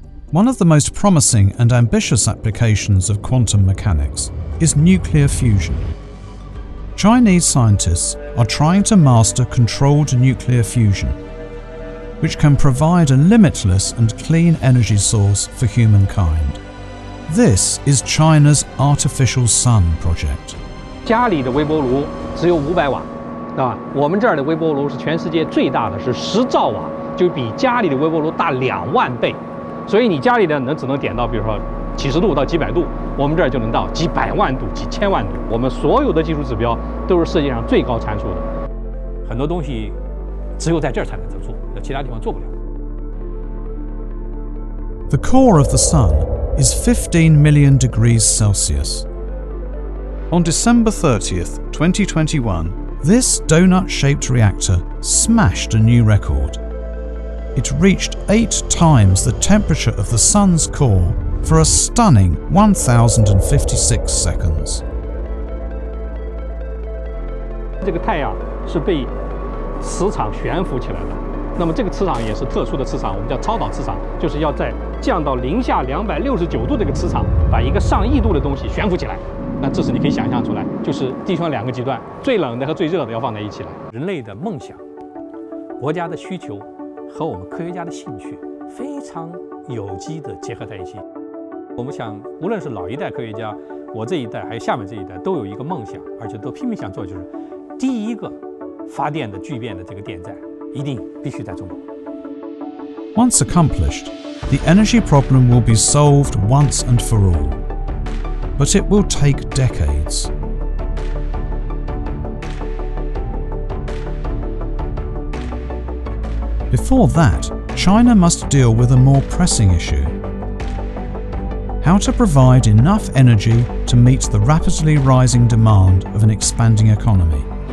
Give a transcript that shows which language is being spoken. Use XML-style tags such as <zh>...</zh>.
<en>One of the most promising and ambitious applications of quantum mechanics is nuclear fusion. Chinese scientists are trying to master controlled nuclear fusion, which can provide a limitless and clean energy source for humankind. This is China's Artificial Sun project.</en> <zh>家里的微波炉只有500瓦，啊，我们这儿的微波炉是全世界最大的，是10兆瓦，就比家里的微波炉大2万倍。所以你家里的能只能点到，比如说几十度到几百度，我们这儿就能到几百万度、几千万度。我们所有的技术指标都是世界上最高参数的，很多东西只有在这儿才能做，在其他地方做不了。</zh> <en>The core of the sun is 15 million degrees Celsius. On December 30th, 2021, this donut-shaped reactor smashed a new record. It reached 8 times the temperature of the sun's core for a stunning 1,056 seconds.</en> <zh>这个太阳是被磁场悬浮起来的，那么这个磁场也是特殊的磁场，我们叫超导磁场，就是要在降到-269度这个磁场，把一个上亿度的东西悬浮起来。那这是你可以想象出来，就是地球两个极端，最冷的和最热的要放在一起了。人类的梦想、国家的需求和我们科学家的兴趣非常有机的结合在一起。我们想，无论是老一代科学家，我这一代还有下面这一代，都有一个梦想，而且都拼命想做，就是第一个发电的聚变的这个电站，一定必须在中国。</zh> <en>Once accomplished, the energy problem will be solved once and for all. But it will take decades. Before that, China must deal with a more pressing issue: how to provide enough energy to meet the rapidly rising demand of an expanding economy.</en>